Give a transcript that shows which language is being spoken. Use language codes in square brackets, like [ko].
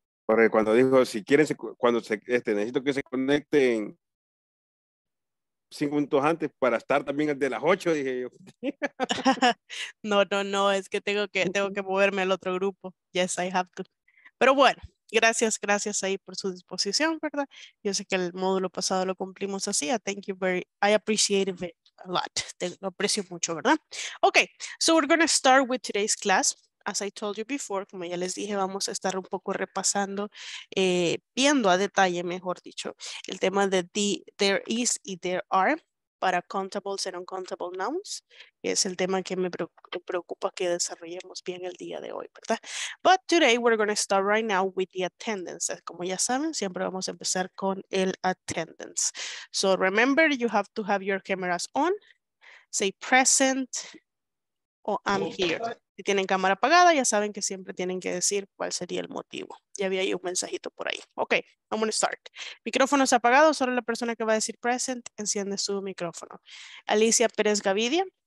[es] Porque cuando dijo, si quieren, cuando necesito que se conecten 5 minutos antes para estar también de las 8, dije yo. No, es que tengo que moverme al otro grupo. [en] Yes, I have to. [es] Pero bueno, gracias ahí por su disposición, ¿verdad? Yo sé que el módulo pasado lo cumplimos así. [en] I appreciate it a lot. [es] Lo aprecio mucho, ¿verdad? [en] Okay, so we're going to start with today's class. As I told you before, [es] como ya les dije, vamos a estar un poco repasando, viendo a detalle, mejor dicho, el tema de there is y there are para [en] countables and uncountable nouns, [es] que es el tema que me preocupa que desarrollemos bien el día de hoy, ¿verdad? [en] But today we're going to start right now with the attendance. [es] Como ya saben, siempre vamos a empezar con el attendance. [en] So remember, you have to have your cameras on, say present, o I'm here. [es] Si tienen cámara apagada, ya saben que siempre tienen que decir cuál sería el motivo. Ya había ahí un mensajito por ahí. [en] Ok, I'm going to start. [es] Micrófonos apagados, solo la persona que va a decir present enciende su micrófono. Alicia Pérez Gavidia.